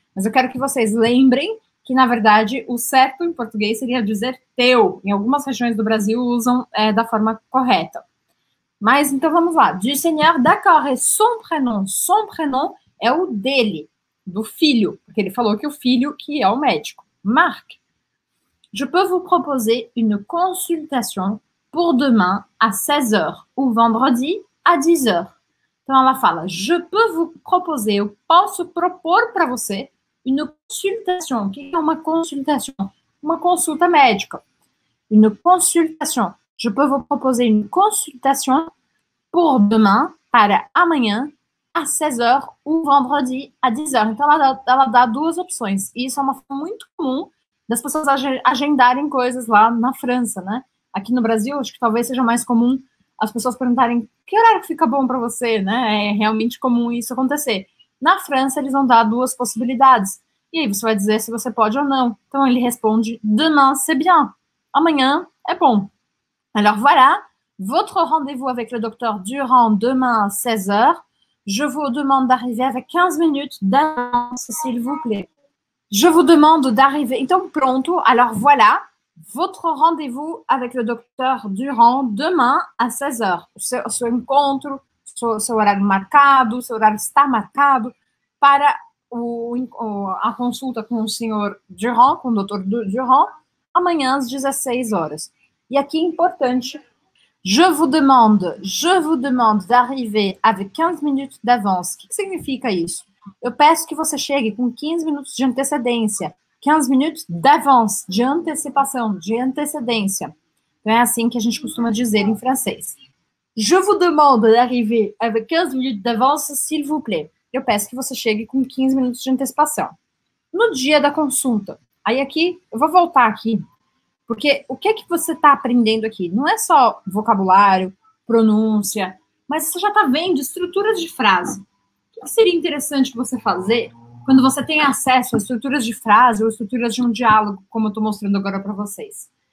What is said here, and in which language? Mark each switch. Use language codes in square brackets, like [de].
[pt] Mas eu quero que vocês lembrem que, na verdade, o certo em português seria dizer teu. Em algumas regiões do Brasil, usam da forma correta. Mas então vamos lá. [fr] Du Seigneur, d'accord, [pt] é [fr] son prénom. Son prénom [pt] é o dele, do filho, porque ele falou que o filho que é o médico. Marc. [fr] Je peux vous proposer une consultation pour demain à 16h ou vendredi à 10h. [pt] Então ela fala: [fr] Je peux vous proposer, [pt] eu posso propor para você [fr] une consultation. [pt] O que é uma consultation? Uma consulta médica. [fr] Une consultation. Je peux vous proposer une consultation pour demain, [pt] para amanhã, [fr] à 16h ou vendredi à 10h. [pt] Então ela dá duas opções. E isso é uma forma muito comum das pessoas agendarem coisas lá na França, né? Aqui no Brasil, acho que talvez seja mais comum as pessoas perguntarem que horário que fica bom para você, né? É realmente comum isso acontecer. Na França, eles vão dar duas possibilidades. E aí você vai dizer se você pode ou não. Então ele responde: [fr] Demain, c'est bien. [pt] Amanhã é bom. [fr] Alors voilà, votre rendez-vous avec le docteur Durand demain à 16h. Je vous demande d'arriver avec 15 minutes d'avance, s'il vous plaît. Je vous demande d'arriver. [pt] Então, pronto. [fr] Alors voilà, votre rendez-vous avec le docteur Durand demain à 16h. [pt] O seu encontro, seu horário marcado, seu horário está marcado para a consulta com o senhor Durand, com o doutor Durand, amanhã às 16 horas. E aqui é importante: [fr] Je vous demande d'arriver avec 15 minutes d'avance. [pt] O que significa isso? Eu peço que você chegue com 15 minutos de antecedência. 15 minutos d'avance, de antecipação, de antecedência. Então é assim que a gente costuma dizer em francês. [fr] Je vous demande d'arriver avec 15 minutes d'avance, s'il vous plaît. [pt] Eu peço que você chegue com 15 minutos de antecipação. No dia da consulta. Aí aqui, eu vou voltar aqui. Porque o que é que você está aprendendo aqui? Não é só vocabulário, pronúncia, mas você já está vendo estrutura de frase. O que seria interessante você fazer quando você tem acesso a estruturas de frase ou estruturas de um diálogo, como eu estou mostrando agora para vocês?